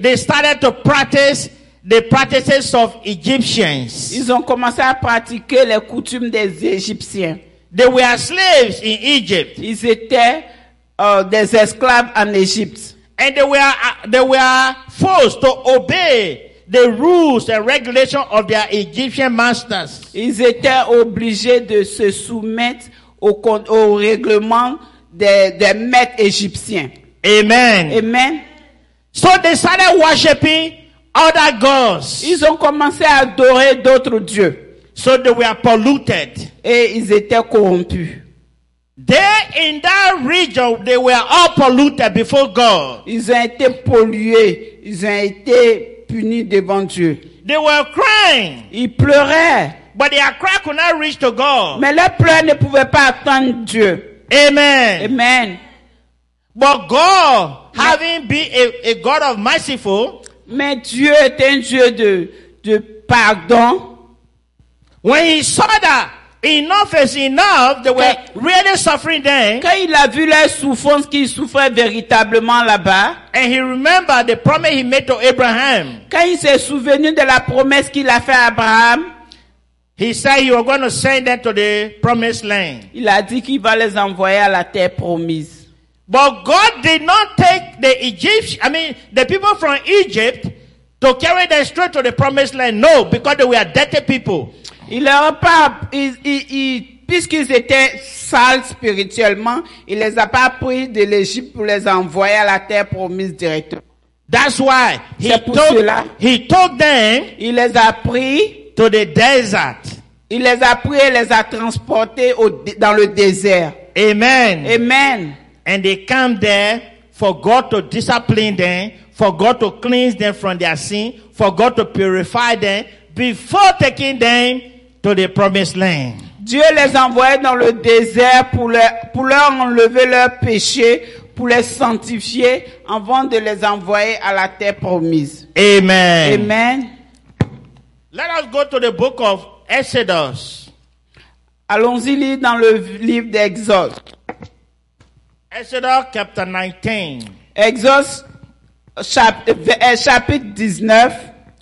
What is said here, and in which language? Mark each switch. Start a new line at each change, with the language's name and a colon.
English: They started to practice the practices of Egyptians.
French: Ils ont commencé à pratiquer les coutumes des Égyptiens.
English: They were slaves in Egypt.
French: Ils étaient des esclaves en Égypte.
English: And they were forced to obey the rules and regulations of their Egyptian masters.
French: Ils étaient obligés de se soumettre au règlement des maîtres égyptiens. Amen. Amen.
English: So they started worshiping other gods.
French: Ils ont commencé à adorer d'autres dieux.
English: So they were polluted.
French: Et ils étaient corrompus.
English: They in that region, they were all polluted before God.
French: Ils ont été pollués. Ils ont été punis devant Dieu.
English: They were crying.
French: Ils pleuraient.
English: But their cry could not reach to God.
French: Mais leurs pleurs ne pouvaient pas atteindre Dieu. Amen. Amen.
English: But God, having been a God of merciful,
French: mais Dieu est un Dieu de pardon.
English: When he saw that enough is enough, they were really suffering then.
French: Quand il a vu leur souffrance qu'ils souffraient véritablement là-bas,
English: and he remembered the promise he made to Abraham.
French: Quand il s'est souvenu de la promesse qu'il a fait à Abraham.
English: He said you are going to send them to the promised land.
French: Il a dit qu'il va les envoyer à la terre promise.
English: But God did not take the people from Egypt to carry them straight to the promised land. No, because they were dirty people.
French: Il leur a pas, puisqu'ils étaient sales spirituellement, il les a pas pris de l'Égypte pour les envoyer à la terre promise directement.
English: That's why
French: il les a pris
English: to the desert.
French: Il les a pris et les a transportés dans le désert. Amen. Amen.
English: And they came there for God to discipline them, for God to cleanse them from their sin, for God to purify them before taking them to the promised land.
French: Dieu les envoyait dans le désert pour leur enlever leurs péchés, pour les sanctifier avant de les envoyer à la terre promise. Amen. Amen.
English: Let us go to the book of Exodus.
French: Allons-y lire dans le livre d'Exode.
English: Exodus chapter 19.
French: Chapitre 19.